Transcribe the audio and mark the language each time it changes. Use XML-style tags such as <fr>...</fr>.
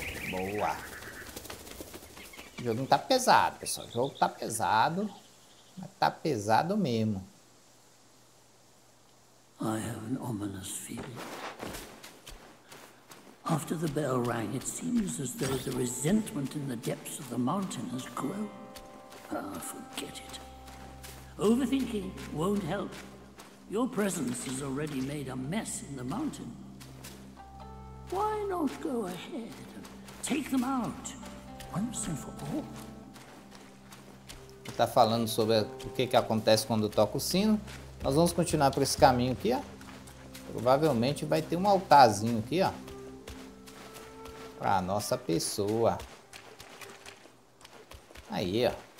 <pt>Boa. O jogo não tá pesado, pessoal. O jogo tá pesado. Mas tá pesado mesmo.</pt> <en>I have an ominous feeling. After the bell rang, it seems as though the resentment in the depths of the mountain has grown. Ah, forget it. Overthinking won't help. Your presence has already made a mess in the mountain. Why not go ahead and take them out once and for all?</en> <pt>tá falando sobre o que que acontece quando toca o sino. Nós vamos continuar por esse caminho aqui, ó. Provavelmente vai ter um altarzinho aqui, ó, pra nossa pessoa. Aí, ó.</pt>